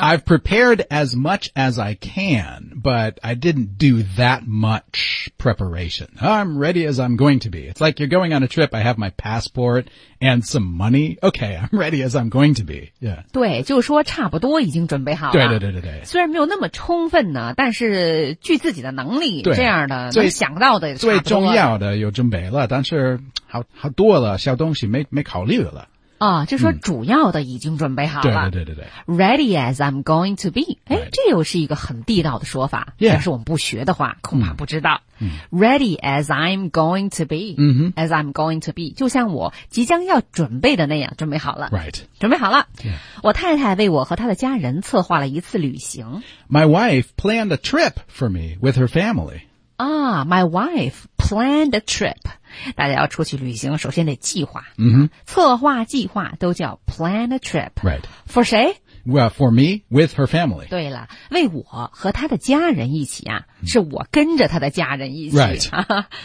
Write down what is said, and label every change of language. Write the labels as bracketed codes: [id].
[en] ?I've prepared as much as I can, but I didn't do that much preparation. I'm ready as I'm going to be. It's like you're going on a trip. I have my passport and some money. Okay, I'm ready as I'm going to be. Yeah. [zh] 对，就是说差不多已经准备好了。对对对对对。虽然没有那么充分呢，但是据自己的能力这样的能想到的也差不多了。最重要的有准备了，但是好多了小东西没考虑了。啊、哦、就说主要的已经准备好了。嗯、对对对对对。 [en] Ready as I'm going to be. 诶、right. [zh] 这又是一个很地道的说法。 [en] Yeah. [zh] 要是我们不学的话恐怕不知道。嗯、 [en] Ready as I'm going to be.、嗯、 as I'm going to be. [zh] 就像我即将要准备的那样准备好了。 [en] Right. [zh] 准备好了。 [en] Yeah. [zh] 我太太为我和她的家人策划了一次旅行。 [en] My wife planned a trip for me with her family. 啊 ,my wife planned a trip. [zh] 大家要出去旅行首先得计划、 mm-hmm. 策划计划都叫 [en] plan a trip、 right. For 谁 well, For me with her family [zh] 对了为我和她的家人一起啊， mm-hmm. 是我跟着她的家人一起、 [en] right.